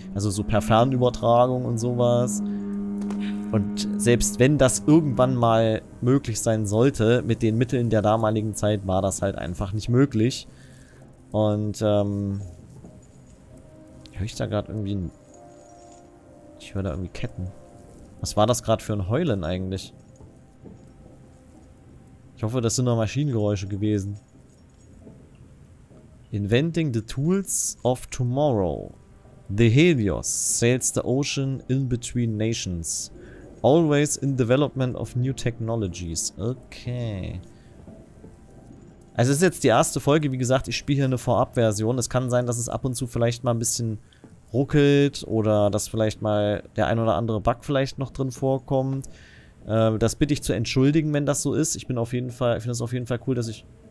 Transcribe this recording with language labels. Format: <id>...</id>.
<de>Also so per Fernübertragung und sowas. Und selbst wenn das irgendwann mal möglich sein sollte, mit den Mitteln der damaligen Zeit war das halt einfach nicht möglich. Und, höre ich da gerade irgendwie ein... Ich höre da irgendwie Ketten. Was war das gerade für ein Heulen eigentlich? Ich hoffe, das sind nur Maschinengeräusche gewesen.</de> <en>Inventing the tools of tomorrow. The Helios sails the ocean in between nations. Always in development of new technologies. Okay.</en> <de>Also es ist jetzt die erste Folge. Wie gesagt, ich spiele hier eine Vorabversion. Es kann sein, dass es ab und zu vielleicht mal ein bisschen ruckelt oder dass vielleicht mal der ein oder andere Bug vielleicht noch drin vorkommt. Das bitte ich zu entschuldigen, wenn das so ist. Ich bin auf jeden Fall, ich finde es auf jeden Fall cool, dass ich...</de>